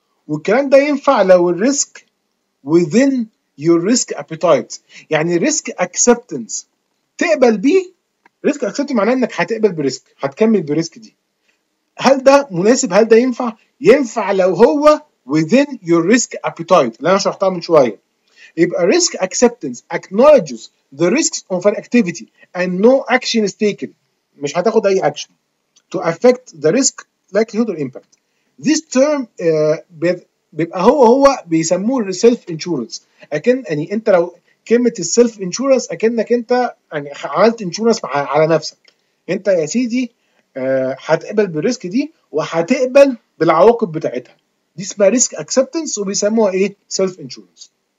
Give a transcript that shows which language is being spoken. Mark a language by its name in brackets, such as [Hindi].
[Arabic] والكلام ده ينفع لو الريسك within your risk appetite. يعني ريسك اكسبتنس تقبل بيه، ريسك اكسبتنس معناه انك هتقبل بالريسك، هتكمل بالريسك دي. هل ده مناسب؟ هل ده ينفع؟ ينفع لو هو [English] within your risk appetite [Arabic] اللي انا شرحتها من شويه. [English] يبقى risk acceptance acknowledges the risks of an activity and no action is taken، [Arabic] مش هتاخد اي [English] action to affect the risk likelihood or impact. This term [Arabic] بيبقى هو بيسموه [English] self insurance. [Arabic] اكن يعني انت لو كلمه self insurance اكنك انت يعني عملت insurance على نفسك. انت يا سيدي هتقبل بالريسك دي وهتقبل بالعواقب بتاعتها، دي اسمها ريسك اكسبتنس وبيسموها ايه؟ سيلف انشورنس.